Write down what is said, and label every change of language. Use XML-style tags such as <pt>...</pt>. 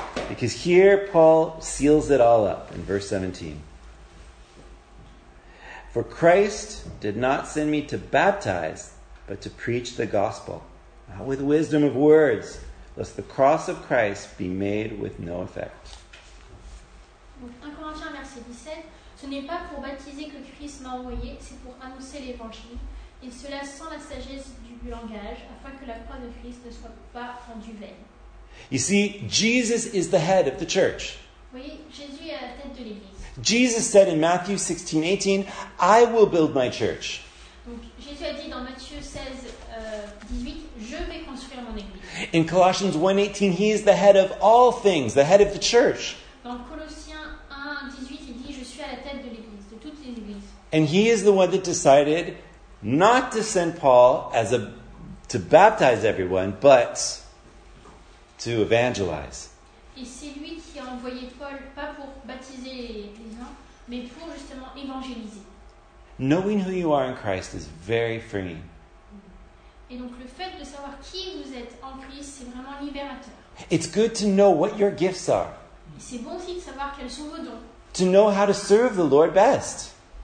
<en>Because here Paul seals it all up in verse 17. For Christ did not send me to baptize, but to preach the gospel, not with wisdom of words, lest the cross of Christ be made with no effect.</en> <fr>1 Corinthiens, verset 17. Ce n'est pas pour baptiser que Christ m'a envoyé, c'est pour annoncer l'évangile. Et cela sans la sagesse du langage, afin que la croix de Christ ne soit pas rendue vaine.</fr> <en>You see, Jesus is the head of the church.</en> <fr>Oui, Jésus est à la tête de l'église.</fr> <en>Jesus said in Matthew 16, 18, I will build my church.</en> <fr>Donc, Jésus a dit dans Matthieu 16, 18, je vais construire mon église.</fr> <en>In Colossians 1, 18, he is the head of all things, the head of the church.</en> <fr>Dans Colossiens 1, 18, il dit, je suis à la tête de l'église, de toutes les églises.</fr> <en>And he is the one that decided not to send Paul as a to baptize everyone, but to evangelize.</en> <fr>Et c'est lui qui a envoyé Paul, pas pour baptiser les gens, mais pour justement évangéliser.</fr> <en>Knowing who you are in Christ is very freeing.</en> <fr>Et donc le fait de savoir qui vous êtes en Christ, c'est vraiment libérateur.</fr> <en>It's good to know what your gifts are.</en> <fr>Et c'est bon aussi de savoir quels sont vos dons.</fr> <en>To know how to serve the Lord best.</en>